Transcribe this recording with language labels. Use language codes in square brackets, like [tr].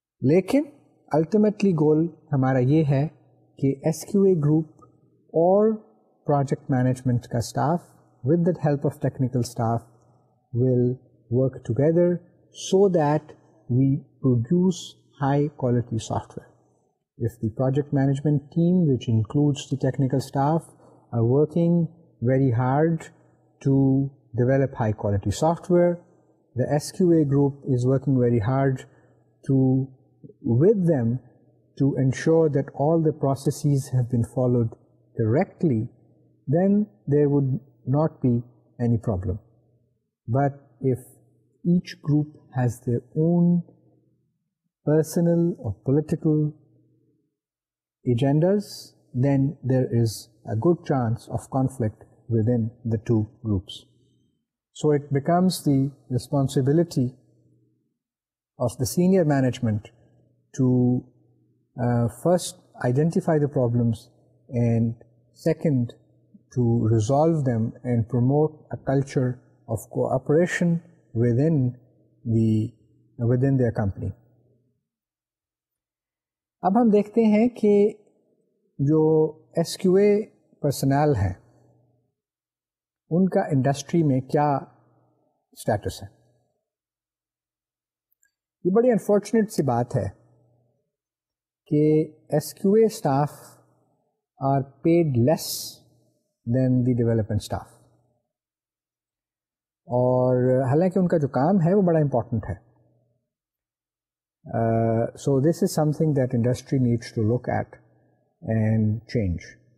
[ur] لیکن [en] ultimately goal [ur] ہمارا یہ ہے کہ [en] S Q A group اور project management کا staff with the help of technical staff will work together so that we produce high quality software. If the project management team, which includes the technical staff, are working very hard to develop high quality software, the SQA group is working very hard to with them to ensure that all the processes have been followed correctly, then there would not be any problem. But if each group has their own personal or political agendas, then there is a good chance of conflict within the two groups. So it becomes the responsibility of the senior management to first identify the problems and second to resolve them and promote a culture of cooperation within their company. [ur] اب ہم دیکھتے ہیں کہ جو S Q a personal ہیں ان کا industry میں کیا اسٹیٹس ہے. یہ بڑی انفارچونیٹ سی بات ہے کہ S Q a [en] staff are paid less than the development staff, [ur] اور حالانکہ ان کا جو کام ہے وہ بڑا امپورٹنٹ ہے. [en] So this is something that industry needs to look at and change.